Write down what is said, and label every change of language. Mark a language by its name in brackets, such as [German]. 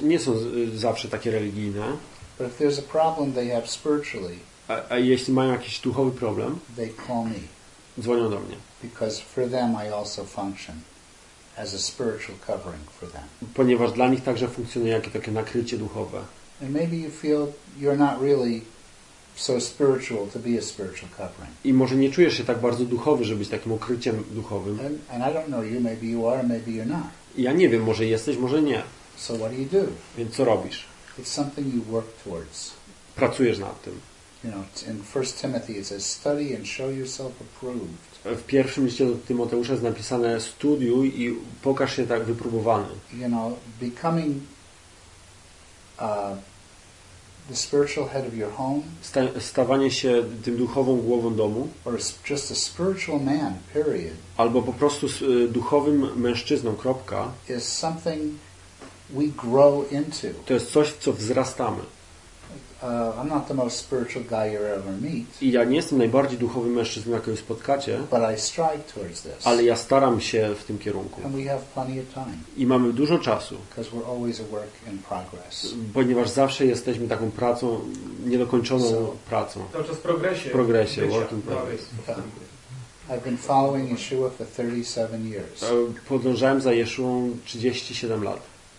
[Polish] Nie są zawsze takie religijne. [English] But if there's a problem they have spiritually. [Polish] A jeśli mają jakiś duchowy problem, [English] they call me. [Polish] Dzwonią do mnie. [English] Because for them I also function as a spiritual covering for them. [Polish] Ponieważ dla nich także funkcjonuje jakieś takie nakrycie duchowe. [English] And maybe you feel you're not really so spiritual to be a spiritual covering. [Polish] I może nie czujesz się tak bardzo duchowy, żeby być takim ukryciem duchowym. [English] And I don't know you, maybe you are, maybe you're not. [Polish] Ja nie wiem, może jesteś, może nie. [English] So what do you do? [Polish] Więc co robisz? [English] It's something you work towards. [Polish] Pracujesz nad tym. [English] You know, in 1 Timothy it says, study and show yourself approved. [Polish] W pierwszym liście do Tymoteusza jest napisane, studiuj i pokaż się tak wypróbowany. [English] You know, becoming the spiritual head of your home. [Polish] Stawanie się tym duchową głową domu. [English] Or just a spiritual man, period. [Polish] Albo po prostu duchowym mężczyzną, kropka. [English] Is something we grow into. [Polish] To jest coś, w co wzrastamy. [English] I'm not the most spiritual guy you'll ever meet. [Polish] I ja nie jestem najbardziej duchowym mężczyzną, jakiego spotkacie. [English] But I strive towards this. [Polish] Ale ja staram się w tym kierunku. [English] And we have plenty of time. [Polish] I mamy dużo czasu. [English] Because we're always a work in progress. [Polish] Ponieważ zawsze jesteśmy taką pracą, niedokończoną pracą. Cały czas w progresie. W progresie, [English] work in progress. I've been following Yeshua for 37 years. [Polish] Podążałem za Yeshua 37 lat.